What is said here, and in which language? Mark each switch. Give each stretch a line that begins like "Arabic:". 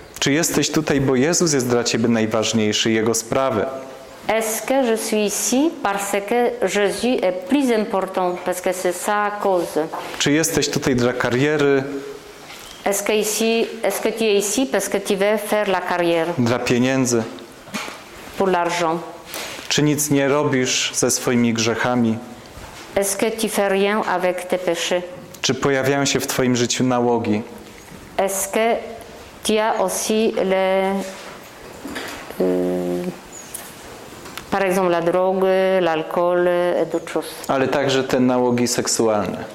Polish: Czy jesteś tutaj, bo Jezus jest dla ciebie najważniejszy, jego sprawy?
French: Est-ce que je suis ici parce que Jésus est plus important, parce que c'est sa cause?
Polish: Czy jesteś tutaj dla kariery?
French: Est-ce que tu es ici parce que tu veux faire la carrière?
Polish: Dla pieniędzy?
French: Pour l'argent.
Polish: Czy nic nie robisz ze swoimi grzechami?
French: Est-ce que tu fais rien avec tes péchés?
Polish: Czy pojawiają się w twoim życiu nałogi?
French: Est-ce que tu as aussi les par exemple la drogue, l'alcool et d'autres choses.
Polish: Ale także te nałogi seksualne.